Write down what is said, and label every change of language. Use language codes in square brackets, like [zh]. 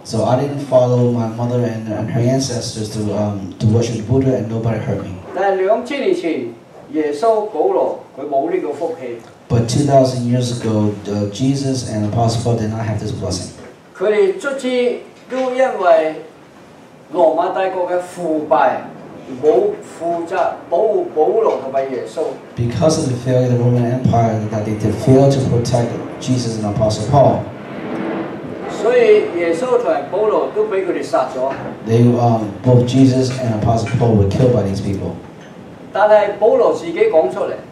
[en] So I didn't follow my mother and her ancestors to worship Buddha, and nobody hurt me. [yue] 但係2000年前，耶穌保羅佢冇呢個福氣。 [en] But 2,000 years ago, Jesus and Apostle Paul did not have this blessing. [yue] 佢哋出資都因為 羅馬帝國嘅腐敗，冇負責保護保羅同埋耶穌。 [en] Because of the failure of the Roman Empire, that they did fail to protect Jesus and Apostle Paul. [yue] 所以耶穌同保羅都俾佢哋殺咗。 [en] Both Jesus and Apostle Paul were killed by these people. [yue] 但係保羅自己講出嚟。